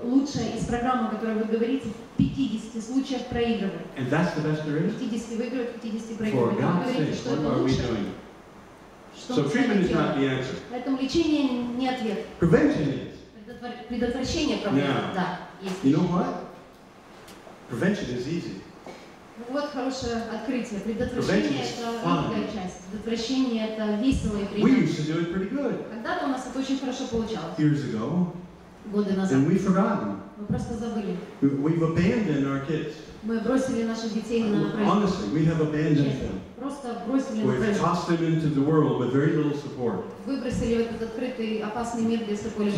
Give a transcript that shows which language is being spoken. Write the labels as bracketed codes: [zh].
[ru] Лучшая из программ, о которой вы говорите, в 50 случаях проигрывает. [en] And that's the best there is? For God's sake, what are we doing? So treatment is not the answer. [ru] Поэтому лечение не ответ. [en] Prevention is. [ru] Предотвращение проблемы. [en] Yeah. [ru] Да. Есть. [en] You know what? Prevention is easy. [ru] Вот хорошее открытие. Предотвращение — это легкая часть. Предотвращение — это весело и приятно. [en] We used to do it pretty good. [ru] Когда-то у нас это очень хорошо получалось. [en] Years ago. [ru] Годы назад. [en] And we've forgotten. [ru] Мы просто забыли. [en] We've abandoned our kids. [ru] Мы бросили наших детей на произвол. [en] Honestly, we have abandoned them. [ru] Просто бросили на произвол. [en] We've tossed them into the world with very little support. [ru] Выбросили в этот открытый опасный мир без какой-либо.